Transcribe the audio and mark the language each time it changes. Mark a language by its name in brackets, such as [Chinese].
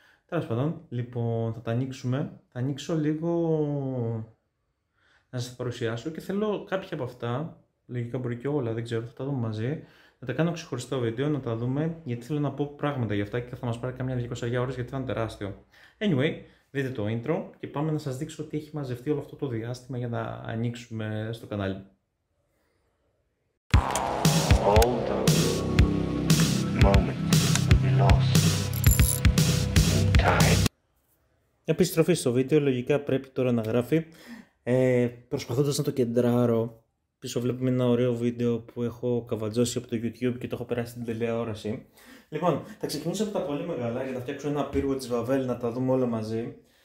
[Greek] Τέλος πάντων, λοιπόν, θα τα ανοίξουμε. Θα ανοίξω λίγο να σας παρουσιάσω και θέλω κάποια από αυτά, λογικά μπορεί και όλα, δεν ξέρω, θα τα δούμε μαζί, να τα κάνω ξεχωριστό βίντεο, να τα δούμε, γιατί θέλω να πω πράγματα για αυτά και θα μας πάρει καμιά 200 ώρες γιατί θα είναι τεράστιο. Anyway, δείτε το intro και πάμε να σας δείξω τι έχει μαζευτεί όλο αυτό το διάστημα για να ανοίξουμε στο κανάλι. [English] All those moments will be lost in time. [Greek] Επιστροφή στο βίντεο, λογικά πρέπει τώρα να γράφει. Προσπαθώντας να το κεντράρω, πίσω βλέπουμε ένα ωραίο βίντεο που έχω καβατζώσει από το YouTube και το έχω περάσει την τηλεόραση. Λοιπόν, θα ξεκινήσω από τα πολύ μεγάλα για να φτιάξω ένα πύργο της Βαβέλ να τα δούμε όλα μαζί.